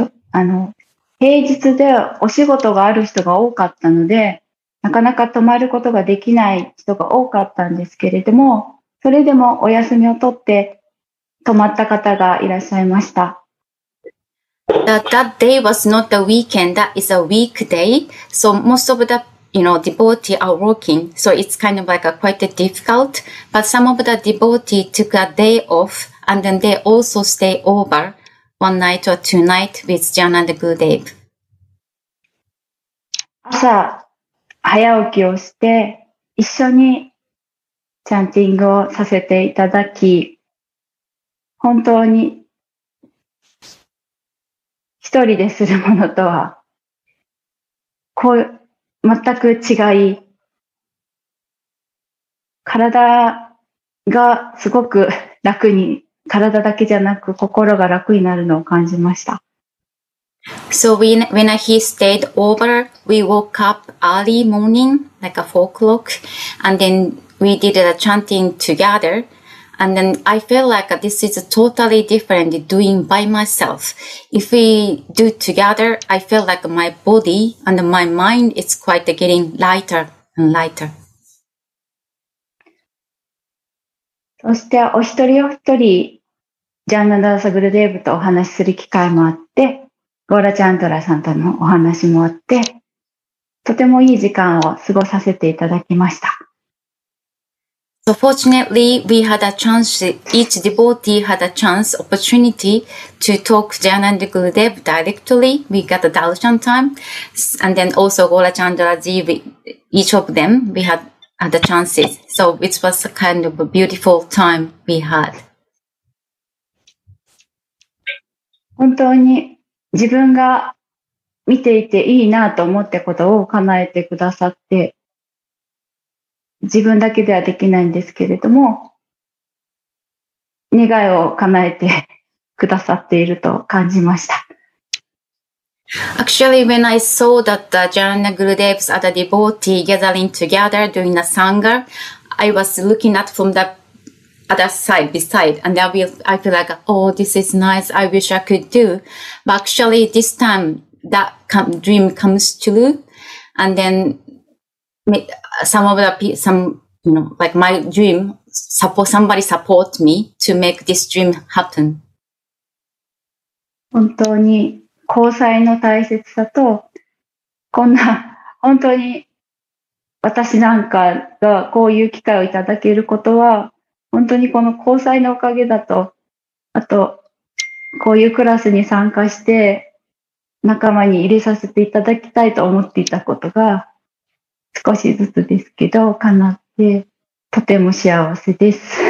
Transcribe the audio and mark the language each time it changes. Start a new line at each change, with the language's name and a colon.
Japanese: あの平日でお仕事がある人が多かったので、なかなか泊まることができない人が多かったんですけれども、それでもお休みを取って泊まった方がいらっしゃいました。
English: That day was not the weekend. That is a weekday. So most of the. You know, devotee are working, so it's kind of like a quite a difficult. But some of the devotee took a day off, and then they also stay over one night or two night with Jan and Gurudev.
Japanese: 朝早起きをして一緒にチャンティングをさせていただき、本当に一人でするものとはこう。全く違い、体がすごく楽に、体だけじゃなく心が楽になるのを感じました。
English: So when he stayed over, we woke up early morning, like a 4 o'clock, and then we did a chanting together, And then I feel like this is totally different doing by myself. If we do together, I feel like my body and my mind is quite getting lighter and lighter.
Japanese: そしてお一人お一人ジャンナダーサグルデーブとお話しする機会もあって、ゴーラチャントラさんとのお話もあって、とてもいい時間を過ごさせていただきました。
English: So fortunately, we had a chance, each devotee had a chance, opportunity to talk to Jayananda Gurudev directly. We got the Darshan time, and then also Gora Chandra Ji, each of them, we had the chances. So it was a kind of a beautiful time we had.
Japanese: 本当に自分が見ていていいなと思ったことを叶えてくださって、自分だけではできないんですけれども、願いを叶えてくださっていると感じました。
English: Actually, when I saw that the Jayananda Gurudev's other devotee gathering together during the Sangha, I was looking at from the other side, beside, and I feel like, oh, this is nice, I wish I could do. But actually, this time, that dream comes true, and then somebody support me to make this dream happen.
Japanese: 本当に交際の大切さと、こんな本当に私なんかがこういう機会をいただけることは、本当にこの交際のおかげだと、あとこういうクラスに参加して仲間に入れさせていただきたいと思っていたことが、少しずつですけど叶って、とても幸せです。